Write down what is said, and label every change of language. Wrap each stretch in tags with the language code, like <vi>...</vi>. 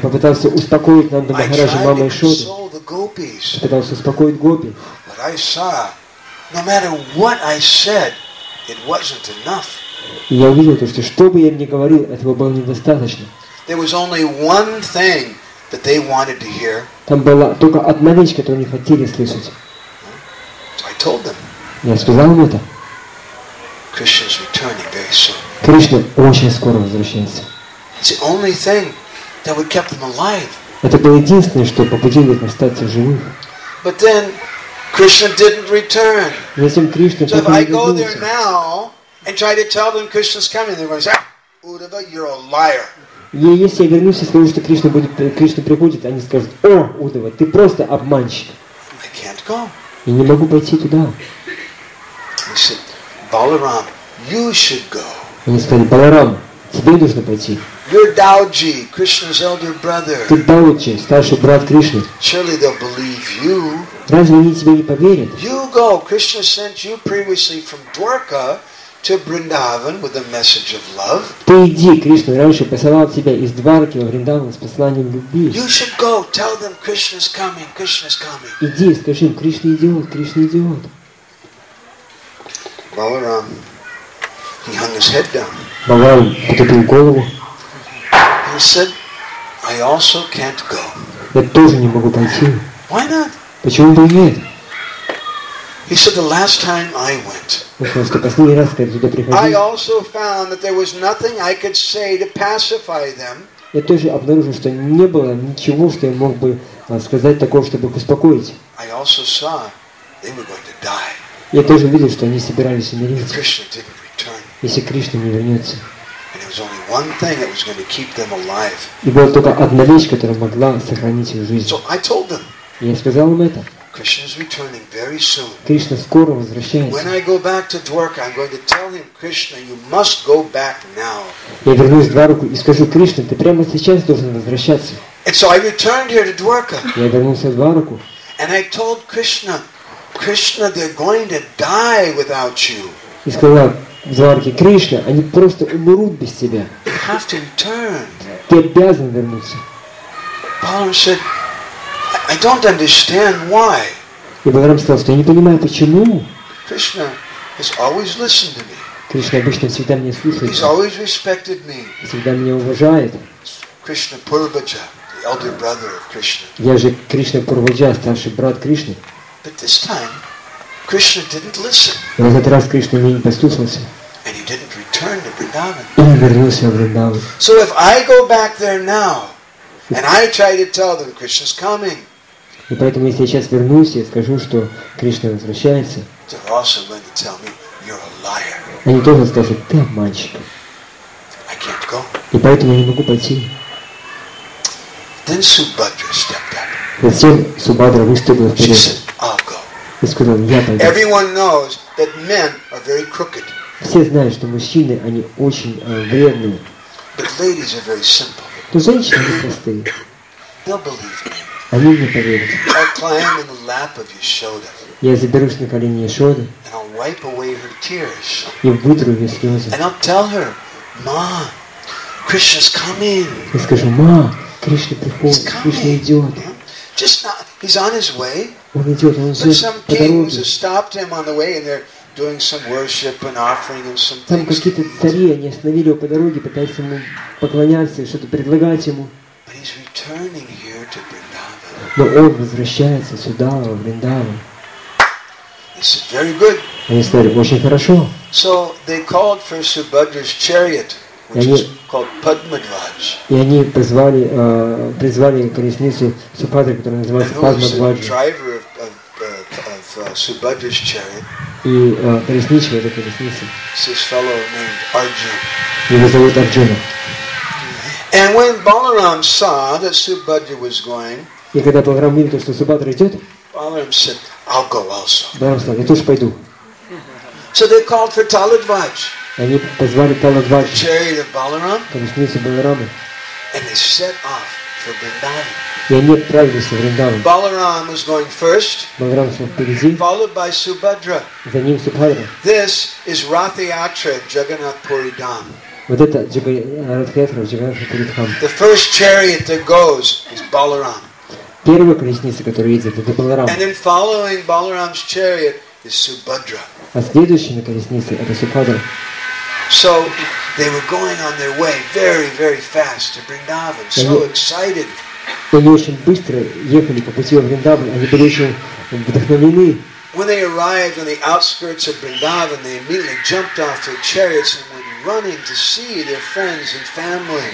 <ru>попытался успокоить Нанда Махараджа, маму Ишоду. Я пытался успокоить гопи.</ru> <en>But I saw, no matter what I said, it wasn't enough.</en> <ru>И я увидел то, что что бы я им ни говорил, этого было недостаточно.</ru> <en>There was only one thing that they wanted to hear.</en> <ru>Там была только одна вещь, которую они хотели слышать.</ru> <en>So I told them.</en> <ru>Я сказал ему это.</ru> <en>Krishna's returning very soon.</en> <ru>Кришна очень скоро возвращается.</ru> <en>It's the only thing that would keep them alive.</en> <ru>Это было единственное, что побудило их остаться живых.</ru> <en>But then Krishna didn't return.</en> <ru>Затем Кришна так и не вернулся.</ru> <en>So if I go there now and try to tell them Krishna's coming, they're going to say, Uddhava, you're a liar.</en> <ru>И если я вернусь и скажу, что Кришна приходит, они скажут, о, Уддхава, ты просто обманщик.</ru> <en>I can't go.</en> <ru>Я не могу пойти туда.</ru> <en>He said, Balaram, you should go.</en> <ru>Они сказали, Баларам, тебе нужно пойти.</ru> <en>You're Dauji, Krishna's elder brother.</en> <ru>Ты Дауджи, старший брат Кришны.</ru> <en>Surely they'll believe you.</en> <ru>Разве они тебе не поверят?</ru> <en>You go. Krishna sent you previously from Dwarka to Vrindavan with a message of love.</en> <ru>Ты иди, Кришна, раньше посылал тебя из Дварки во Вриндаван с посланием любви.</ru> <en>You should go. Tell them Krishna's coming. Krishna's coming.</en> <ru>Иди, скажи им, Кришна идет, Кришна идет.</ru> <en>Balaram, he hung his head down.</en> <ru>Balaram потупил голову.</ru> <en>He said, I also can't go.</en> <ru>Я тоже не могу пойти.</ru> <en>Why not?</en> <ru>Почему бы и нет?</ru> <en>He said, the last time I went, I also found that there was nothing I could say to pacify them.</en> <ru>Я тоже обнаружил, что не было ничего, что я мог бы сказать такого, чтобы их успокоить.</ru> <en>I also saw they were going to die.</en> <ru>Я тоже видел, что они собирались умереть.</ru> <en>If Krishna didn't return,</en> <ru>если Кришна не вернется.</ru> <en>And there was only one thing that was going to keep them alive.</en> <ru>И была только одна вещь, которая могла сохранить их жизнь.</ru> <en>So I told them.</en> <ru>Я сказал им это.</ru> <en>Krishna is returning very soon.</en> <ru>Кришна скоро возвращается.</ru> <en>When I go back to Dwarka, I'm going to tell him, Krishna, you must go back now.</en> <ru>Я вернусь в Дварку и скажу, Кришна, ты прямо сейчас должен возвращаться.</ru> <en>And so I returned here to Dwarka.</en> <ru>Я вернулся в Дварку.</ru> <en>And I told Krishna, Krishna, they're going to die without you.</en> <ru>И сказал Дварке, Кришна, они просто умрут без тебя.</ru> <en>You have to return.</en> <ru>Ты обязан вернуться.</ru> <en>Balaram said, I don't understand why.</en> <ru>И Баларам сказал, что я не понимаю, почему.</ru> <en>Krishna has always listened to me.</en> <ru>Кришна обычно всегда меня слушает.</ru> <en>He's always respected me.</en> <ru>Всегда меня уважает.</ru> <en>Krishna Purvaja, the elder brother of Krishna.</en> <ru>Я же Кришна Пурваджа, старший брат Кришны.</ru> <en>But this time, Krishna didn't listen.</en> <ru>Но в этот раз Кришна меня не послушался.</ru> <en>And he didn't return to Vrindavan.</en> <ru>И не вернулся в Вриндаван.</ru> <en>So if I go back there now, and I try to tell them Krishna's coming.</en> <ru>И поэтому если я сейчас вернусь, я скажу, что Кришна возвращается.</ru> <en>They're also going to tell me you're a liar.</en> <ru>Они тоже скажут, ты обманщик.</ru> <en>I can't go.</en> <ru>И поэтому я не могу пойти.</ru> <en>Then Subhadra stepped up.</en> <ru>Затем Субхадра выступила вперед.</ru> <en>She said, I'll go.</en> <ru>И сказала, я пойду.</ru> <en>Everyone knows that men are very crooked.</en> <ru>Все знают, что мужчины они очень вредные.</ru> <en>But ladies are very simple.</en> <ru>Но женщины простые.</ru> <en>They'll believe me.</en> <ru>Они мне поверят.</ru> <en>I'll climb in the lap of Yashoda.</en> <ru>Я заберусь на колени Яшоды.</ru> <en>And I'll wipe away her tears.</en> <ru>И вытру ее слезы.</ru> <en>And I'll tell her, Ma, Krishna's coming.</en> <ru>И скажу, Ма, Кришна приходит, Кришна идет.</ru> <en>Just not, he's on his way.</en> <ru>Он идет, он идет.</ru> <en>But some kings have stopped him on the way, and they're doing some worship and offering him some things.</en> <ru>Там какие-то цари, они остановили его по дороге, пытались ему поклоняться и что-то предлагать ему.</ru> <en>But he's returning here to Vrindavan.</en> <ru>Но он возвращается сюда, в Вриндаван.</ru> <en>He said, very good.</en> <ru>Они сказали, очень хорошо.</ru> <en>So they called for Subhadra's chariot, which</en> <ru>они,</ru> <en>is called Padmadvaj.</en> <ru>И они позвали, призвали колесницу Субхадры, которая называется Падмадваджа.</ru> <en>Driver of Subhadra's chariot.</en> <ru>И колесничего это колесница.</ru> <en>This fellow named Arjuna.</en> <ru>Его зовут Арджуна.</ru> <en>And when Balaram saw that Subhadra was going,</en> <ru>и когда Balaram видел, что Субхадра идет,</ru> <en>Balaram said, I'll go also.</en> <ru>Balaram сказал, я тоже пойду.</ru> <en>So they called for Taladvaj.</en> <ru>Они позвали Таладвадж.</ru> <en>The chariot of Balaram.</en> <ru>Колесница Баларама.</ru> <en>And they set off for Vrindavan.</en> <ru>И они отправились в Вриндаван.</ru> <en>Balaram was going first.</en> <ru>Balaram шел впереди.</ru> <en>Followed by Subhadra.</en> <ru>За ним Субхадра.</ru> <en>This is Rathyatra Jagannath Puri Dham.</en> <ru>Вот это Радхаятра, Джаганнатха Пури Дхам.</ru> <en>The first chariot that goes is Balaram.</en> <ru>Первая колесница, которая едет, это Баларама.</ru> <en>And then following Balaram's chariot is Subhadra.</en> <ru>А следующая на колеснице это Субхадра.</ru> <en>So they were going on their way very, very fast to Vrindavan. So excited.</en> <ru>Они очень быстро ехали по пути в Вриндаван. Они были очень вдохновлены.</ru> <en>When they arrived on the outskirts of Vrindavan, they immediately jumped off their chariots and went running to see their friends and family.</en>